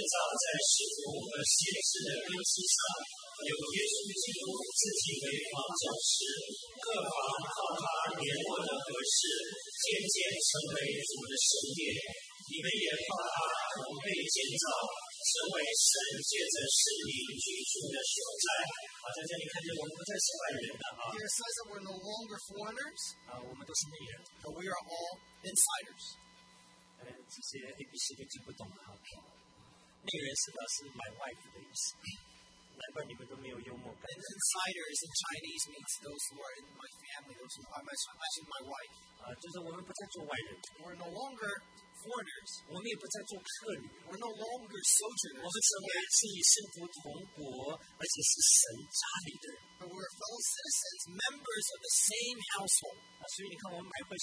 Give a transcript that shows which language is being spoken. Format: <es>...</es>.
<zh>19-22。中文的念中文的，英文的念英文的，广东话的念广东话的。这样你们不再做外人和客旅，是以圣徒同活，是神家里的人了，并且被建造在使徒和先知的根基上。有耶稣基督自己为房角石，各房靠他联络的合适，渐渐成为主的圣殿。你们也靠他同被建造，成为圣洁的圣灵居住的所在。好，在这里看见我们不再是外人了啊。</zh> <en>Here it says that we're no longer foreigners.</en> <zh>我们都是内人。</zh> <en>But we are all insiders.</en> <zh>这些 ABC 都听不懂啊。内人是表示</zh> <en>my wife</en> <zh>的意思。</zh> <en>An insider is in Chinese means those who are in my family, those who are my wife.</en> <zh>就是我们不再做外人。</zh> <en>We're no longer foreigners.</en> <zh>我们也不再做客旅。</zh> <en>We're no longer sojourners.</en> <zh>我们成为是以圣徒同国，而且是神家里的。</zh> <en>But we're fellow citizens, members of the same household.</en>